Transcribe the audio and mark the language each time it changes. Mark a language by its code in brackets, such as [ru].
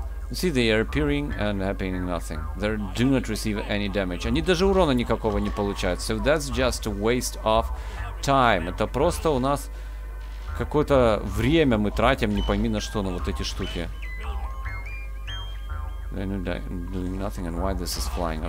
[en] You see, they are appearing and happening nothing. They do not receive any damage. [ru] Они даже урона никакого не получают. [en] So that's just a waste of time. [ru] Это просто у нас какое-то время мы тратим, не пойми на что, на вот эти штуки. [en] They're doing nothing, and why this is flying?